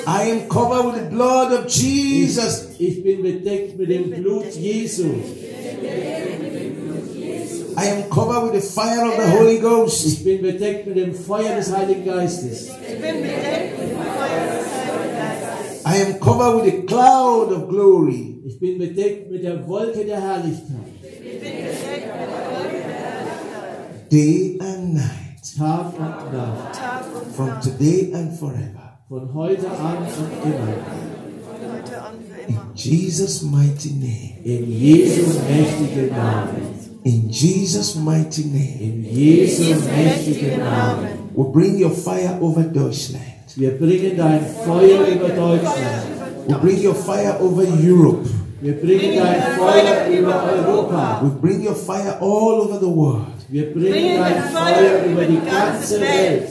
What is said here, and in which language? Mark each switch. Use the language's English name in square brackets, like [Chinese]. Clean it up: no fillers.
[English] I am covered with the blood of Jesus. [German] Ich bin bedeckt mit dem Blut Jesu. [English] I am covered with the fire of the Holy Ghost. [German] Ich bin bedeckt mit dem Feuer des Heiligen Geistes. [English] I am covered with the cloud of glory. [German] Ich bin bedeckt mit der Wolke der Herrlichkeit. [English] Day and night. [German] Tag und Nacht. [English] From today and forever. [German] Von heute an und immer. [English] In Jesus' mighty name. [German] In Jesu mächtigen Namen. [English] In Jesus' mighty name. [German] In Jesu mächtigen Namen. [English] We bring your fire over Deutschland. [German] Wir bringen dein Feuer über Deutschland. [English] We bring your fire over Europe. [German] Wir bringen dein Feuer über Europa. [English] We bring your fire all over the world. [German] Wir bringen dein Feuer über die ganze Welt.